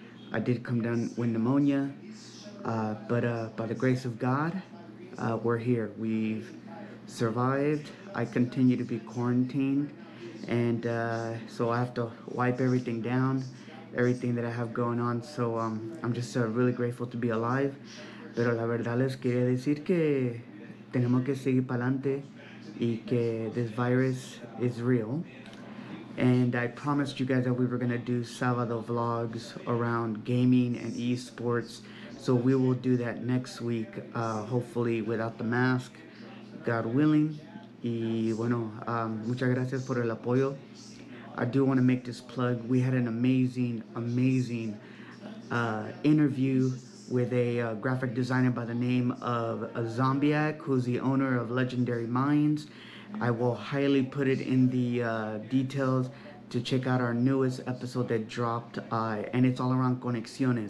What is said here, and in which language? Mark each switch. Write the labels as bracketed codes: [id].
[en] I did come down with pneumonia, but by the grace of God, we're here. We've survived. I continue to be quarantined, and so I have to wipe everything down, everything that I have going on. So I'm just really grateful to be alive. [es] Pero la verdad les quería decir que tenemos que seguir para adelante y que [en] this virus is real. And I promised you guys that we were gonna do sábado vlogs around gaming and esports. So we will do that next week, hopefully without the mask, God willing. [es] Y bueno, muchas gracias por el apoyo. [en] I do wanna make this plug. We had an amazing interview with a graphic designer by the name of Zombiac, who's the owner of Legendary Minds. I will highly put it in the details to check out our newest episode that dropped, and it's all around conexiones.